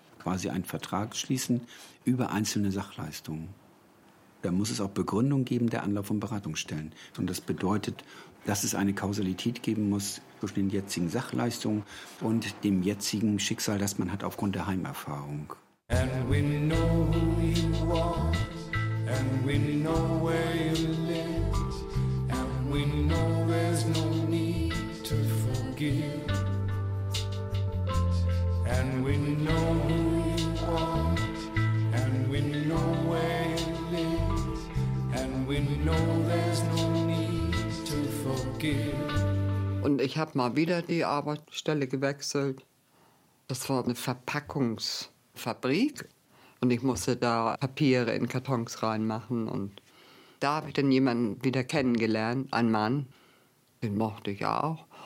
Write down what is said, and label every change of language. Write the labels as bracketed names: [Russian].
[German] Quasi einen Vertrag schließen über einzelne Sachleistungen. Da muss es auch Begründung geben der Anlauf- und Beratungsstellen. Und das bedeutet, dass es eine Kausalität geben muss zwischen den jetzigen Sachleistungen und dem jetzigen Schicksal, das man hat aufgrund der Heimerfahrung. [English] And we know who you are, and we know where you live. We know there's no need to forgive. And we know who you are. And we know where you live. And we know there's no need to forgive. [German] Und ich habe mal wieder die Arbeitsstelle gewechselt. Das war eine Verpackungsfabrik. Und ich musste da Papiere in Kartons reinmachen und... Da habe ich dann jemanden wieder kennengelernt, einen Mann, den mochte ich auch.